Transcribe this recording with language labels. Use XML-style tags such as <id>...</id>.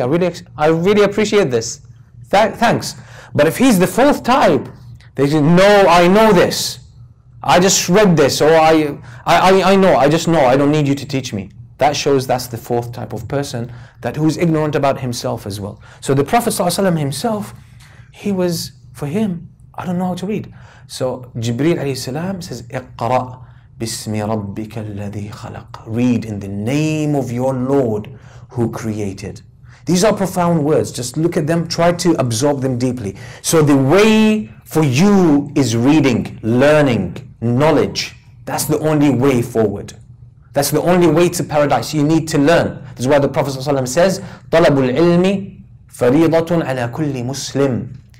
<en>I really appreciate this. Thanks. But if he's the fourth type, they say, no, I know this. I just read this, or I know, I don't need you to teach me. That shows that's the fourth type of person, that who's ignorant about himself as well. So the Prophet ﷺ himself, he was, for him, I don't know how to read. So Jibreel alayhi salam says,</en> <ar>اقرأ بسم ربك الذي خلق.</ar> <en>Read in the name of your Lord who created. These are profound words. Just look at them, try to absorb them deeply. So the way for you is reading, learning, knowledge. That's the only way forward. That's the only way to paradise. You need to learn. This is why the Prophet ﷺ says,</en> <ar>طلب العلم فريضة على كل مسلم.</ar>